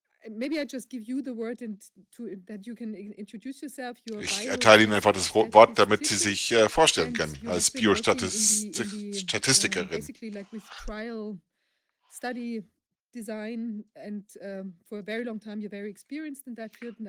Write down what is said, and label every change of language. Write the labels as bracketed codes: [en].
[en] Maybe I just give you the word and that you can introduce yourself. [de] Ich erteile Ihnen einfach das Wort, damit Sie sich vorstellen können als Biostatistikerin. [en] Basically like with trial study design and for a very long time you're very experienced in that field and